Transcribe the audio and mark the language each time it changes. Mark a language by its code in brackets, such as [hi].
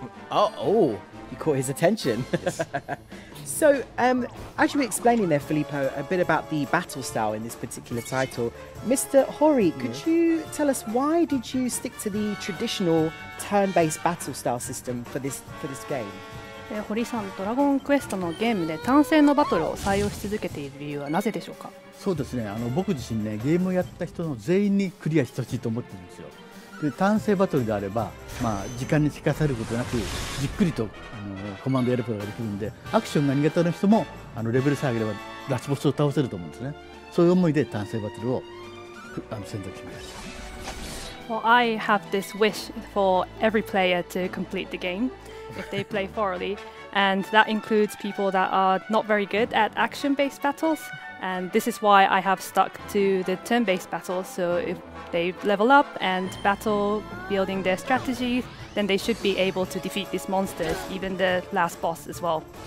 [en] Oh, you caught his attention. Yes. So, as you were explaining there, Filippo, a bit about the battle style in this particular title, Mr. Hori, could you tell us why did you stick to the traditional turn-based battle style system for this game? [ja] Hori-san, ドラゴンクエストのゲームで単戦のバトルを採用し続けている理由はなぜでしょうか？そうですね、僕自身ね、ゲームをやった人の全員にクリアしてほしいと思ってるんですよ。で、単戦バトルであれば、まあ、時間に引かされることなく、じっくりとコマンドやることができるんで、アクションが苦手な人もレベルさえ上げればラスボスを倒せると思うんですね。そういう思いで単戦バトルを選択しました。 [en] Well, I have this wish for every player to complete the game if they play thoroughly, and that includes people that are not very good at action-based battles, and this is why I have stuck to the turn-based battles. So if they level up and battle building their strategy, then they should be able to defeat these monsters, even the last boss as well.